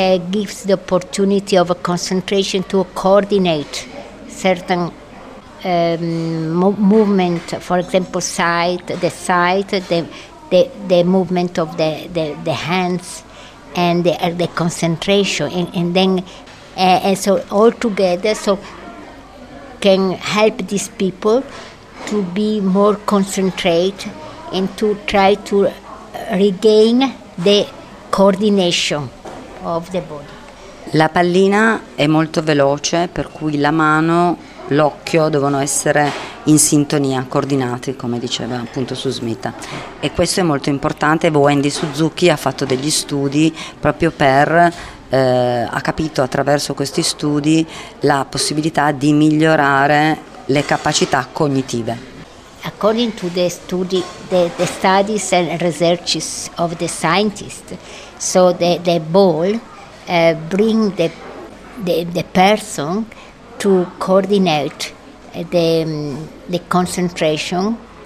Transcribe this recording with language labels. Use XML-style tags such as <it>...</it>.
<en>gives the opportunity of a concentration to coordinate certain movement, for example, the movement of the hands and the concentration, and then And so all together, so can help these people to be more concentrated and to try to regain the coordination of the body.</en> <it>La pallina è molto veloce, per cui la mano, l'occhio devono essere in sintonia, coordinati, come diceva appunto Susmita. E questo è molto importante. Wendy Suzuki ha fatto degli studi proprio per, ha capito attraverso questi studi la possibilità di migliorare le capacità cognitive.</it> <en>According to the study, the studies and researches of the scientists, so the ball bring the person to coordinate the concentration,</en>